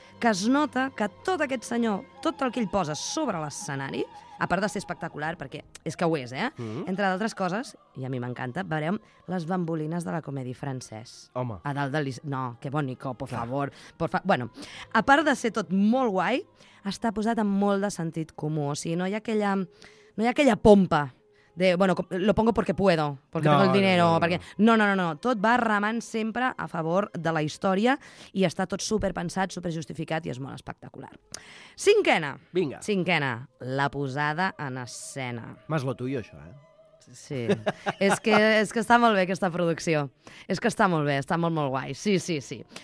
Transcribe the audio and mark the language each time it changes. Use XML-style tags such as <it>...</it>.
<ca>Que es nota que tot aquest senyor, tot el que ell posa sobre l'escenari, a part de ser espectacular, perquè és que ho és, entre d'altres coses, i a mi m'encanta, veurem les bambolines de la Comèdia Francesa. Home. A dalt de l'is... No,</ca> <es>que bonico, por favor.</es> <ca>Bueno, a part de ser tot molt guai, està posat en molt de sentit comú. O sigui, no hi ha aquella pompa de, bueno,</ca> <es>lo pongo porque puedo, porque tengo el dinero,</es> <ca>perquè... No. Tot va remant sempre a favor de la història i està tot superpensat, superjustificat i és molt espectacular. Cinquena. Vinga. Cinquena. La posada en escena.</ca> <es>Más lo tuyo,</es> <ca>això, Sí. és que està molt bé aquesta producció. És que està molt bé, està molt, molt guai. Sí, sí, sí.</ca>